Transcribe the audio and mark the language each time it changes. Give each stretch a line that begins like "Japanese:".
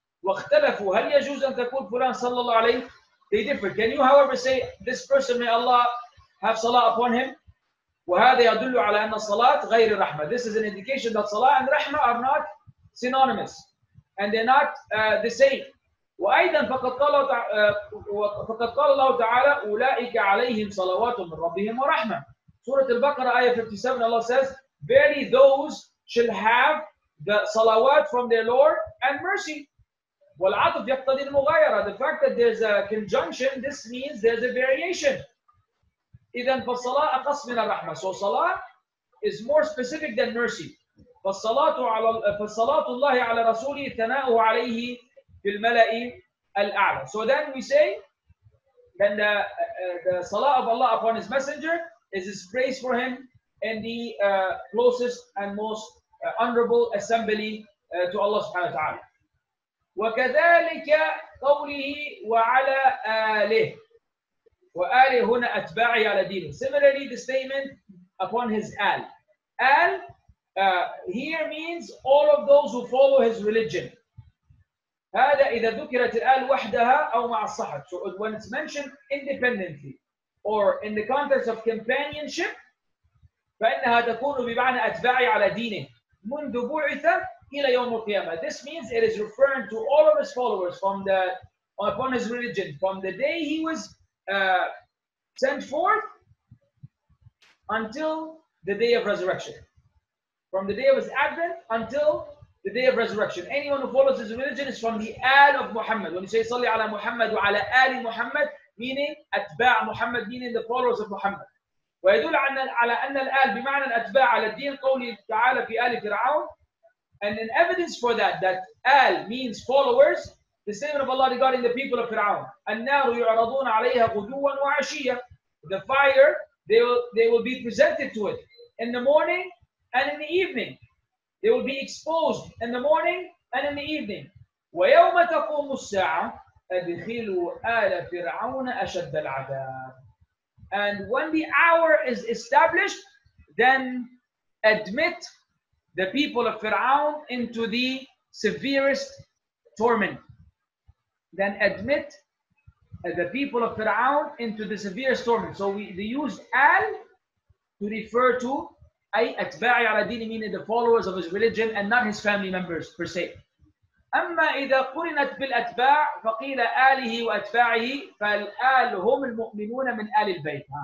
Arabic: وَاخْتَلَفُوا هَلْ يَجُوزُ أَن تَقُولُ فُلَانَ صَلَّى اللَّهُ عَلَيْهِ.
English: They differ. Can you, however, say this person, may Allah have salah upon him?
Arabic: وَهَذَا يَدُلُّ عَلَى أَنَّ الصَّلَاةَ غَيْرِ الرَّحْمَةِ.
English: This is an indication that salah and rahmah are not synonymous, and they're not the same.
Arabic: وأيضا فقد قال الله تعالى أولئك عليهم صلوات من ربهم ورحمة. سورة البقرة آية 57
English: الله says verily those shall have the salawat from their Lord and mercy.
Arabic: والعطف يقتضي المغايرة.
English: The fact that there's a conjunction, this means there's a variation.
Arabic: إذا فالصلاة أقص من الرحمة.
English: So salah is more specific than mercy.
Arabic: فالصلاة على فالصلاة الله على رسوله ثناؤه عليه بالملائكة الأعلى.
English: So then we say then the salah of Allah upon His Messenger is His praise for Him in the closest and most honorable assembly to Allah Subhanahu wa Taala.
Arabic: وكذلك قوله وعلى آله وآله هنا أتباعي على دينه.
English: Similarly, the statement upon His آل. آل here means all of those who follow His religion.
Arabic: هذا إذا ذكرت الآل وحدها أو مع الصحب.
English: So when it's mentioned independently or in the context of companionship,
Arabic: فإنها تكون بمعنى أتباعي على دينه منذ بعثة إلى يوم القيامة.
English: This means it is referring to all of his followers from the upon his religion from the day he was sent forth until the day of resurrection. From the day of his advent until the day of resurrection. Anyone who follows his religion is from the al of Muhammad. When you say
Arabic: salli ala Muhammad wa ala ali Muhammad,
English: meaning atba' Muhammad, meaning the followers of Muhammad.
Arabic: ويدل على أن الآل بمعنى الأتباع على الدين قوله تعالى في آل فرعون.
English: And an evidence for that, that آل means followers, the statement of Allah regarding the people of فرعون.
Arabic: النار يعرضون عليها غدوا وعشية.
English: The fire, they will be presented to it in the morning and in the evening. They will be exposed in the morning and in the evening.
Arabic: ويوم تقوم الساعة أدخلوا آل فرعون أشد العذاب.
English: And when the hour is established, then admit the people of Fir'aun into the severest torment. Then admit the people of Fir'aun into the severest torment. So they use al to refer to
Arabic: ay atba'i ala dini,
English: meaning the followers of his religion and not his family members per se.
Arabic: أما إذا قرنت بالأتباع فقيل آله وأتباعه فالآل هم المؤمنون من آل البيت.